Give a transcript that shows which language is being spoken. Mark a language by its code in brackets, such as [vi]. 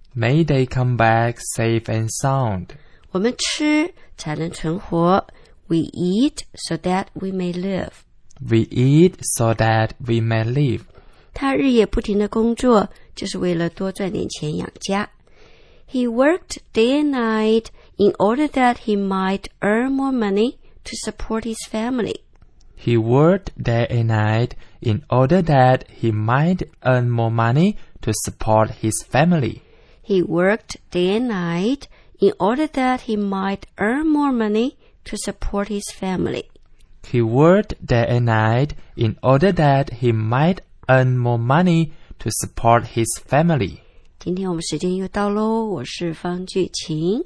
[en] May they come back safe and sound. [zh] 我们吃才能存活。 [en] We eat so that we may live. We eat so that we may live. [zh] 他日夜不停地工作，就是为了多赚点钱养家。 [en] He worked day and night in order that he might earn more money to support his family. He worked day and night in order that he might earn more money to support his family. He worked day and night in order that he might earn more money to support his family. He worked day and night in order that he might earn more money to support his family. [zh] 今天我们时间又到咯，我是方俊晴，